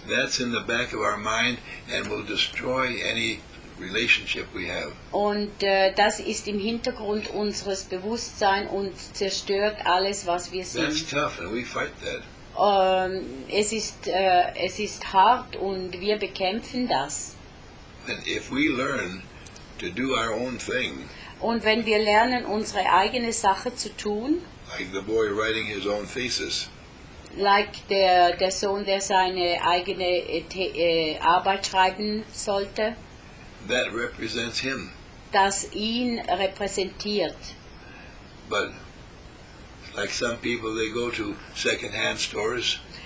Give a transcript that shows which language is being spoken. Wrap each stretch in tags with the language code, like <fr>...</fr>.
<en>that's in the back of our mind and will destroy any relationship we have.</en> <de>Und das ist im Hintergrund unseres Bewusstseins und zerstört alles, was wir sind.</de> <en>That's tough and we fight that.</en> <de>Es ist hart und wir bekämpfen das.</de> <en>And if we learn to do our own thing,</en> <de>und wenn wir lernen, unsere eigene Sache zu tun,</de> <en>like the boy writing his own thesis,</en> <de>like der Sohn, der seine eigene Arbeit schreiben sollte,</de> <en>that represents him.</en> <de>Das ihn repräsentiert.</de> <en>But like some people, they go to second-hand stores.</en>